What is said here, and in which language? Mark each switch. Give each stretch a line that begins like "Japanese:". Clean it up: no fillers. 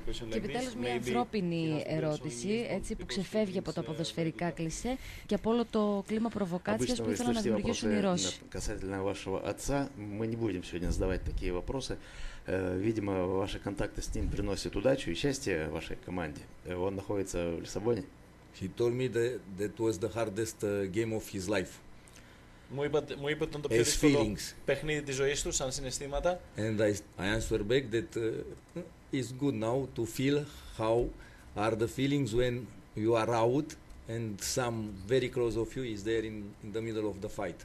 Greek: και επιτέλους μια ανθρώπινη ερώτηση, έτσι που ξεφεύγει από τα ποδοσφαιρικά κλισέ και από όλο το κλίμα προβοκάτσιας που ήθελαν να δημιουργήσουν οι Ρώσοι.
Russian: Касательно вашего отца, мы не будем сегодня задавать такие вопросы. Видимо, ваши контакты с ним приносят удачу и счастье вашей команде. Он находится в Лиссабоне.
English: He told me that was the hardest game of his life.
Greek: Μου είπε ότι ήταν το πιο δύσκολο παιχνίδι της ζωής του, σαν συναισθήματα.
English: And I answer back that it's good now to feel how are the feelings when you are out and some very close of you is there in the middle of the fight.